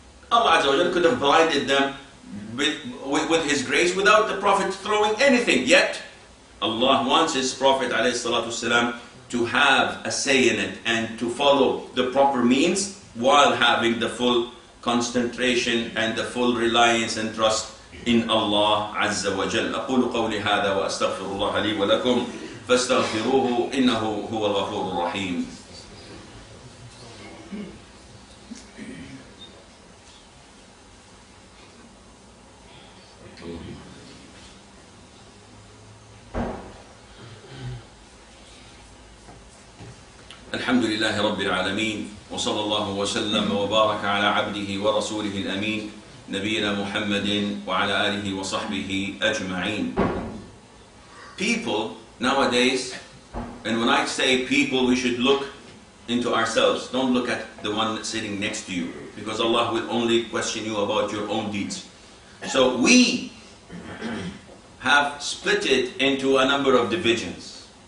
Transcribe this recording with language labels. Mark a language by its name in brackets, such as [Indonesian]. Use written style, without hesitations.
[English] Allah Azza wa Jal could have blinded them with His grace without the Prophet throwing anything. Yet Allah wants His Prophet [Arabic] alayhi salatu wasalam [English] to have a say in it and to follow the proper means while having the full concentration and the full reliance and trust in Allah Azza wa Jal. [Arabic] أقول قولي هذا وأستغفر الله لي ولكم فاستغفروه إنه هو الغفور الرحيم. الحمد لله رب العالمين وصلى الله وسلم وبارك على عبده ورسوله الأمين نبينا محمد وعلى آله وصحبه أجمعين. [English] People nowadays, and when I say people, we should look into ourselves. Don't look at the one sitting next to you, because Allah will only question you about your own deeds. So we have split it into a number of divisions.